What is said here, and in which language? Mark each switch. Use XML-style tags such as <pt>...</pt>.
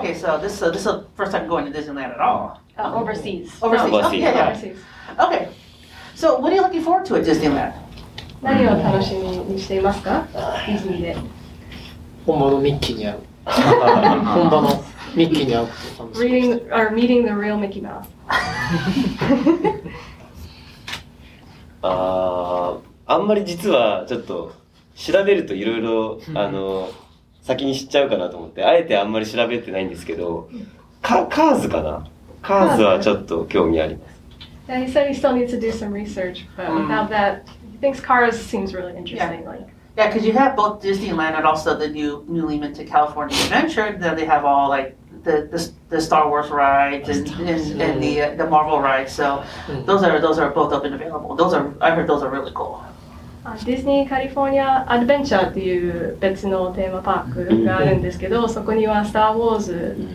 <en>Okay, so this is the first time going to Disneyland at all. Overseas. Overseas. Okay, yeah. Okay. So what are you looking forward to at Disneyland?</en> <ja>何を楽しみにしていますか？ディズニーで。本場のミッキーに会う。本場のミッキーに会う。</ja> <en>Reading or meeting the real Mickey Mouse.</en> <ja>あんまり実はちょっと。調べるといろいろ先に知っちゃうかなと思ってあえてあんまり調べてないんですけど、カーズかな、カーズはちょっと興味あります。</ja> <en>Yeah, he said he still needs to do some research, but without that, he thinks cars seems really interesting. Yeah, because you have both Disneyland and also the new Lehman to California Adventure. Then they have all like the Star Wars rides and the Marvel rides. So those are both up and available. I heard those are really cool.</en> <ja>ディズニーカリフォルニアアドベンチャーっていう別のテーマパークがあるんですけど、そこにはスター・ウォーズ</ja>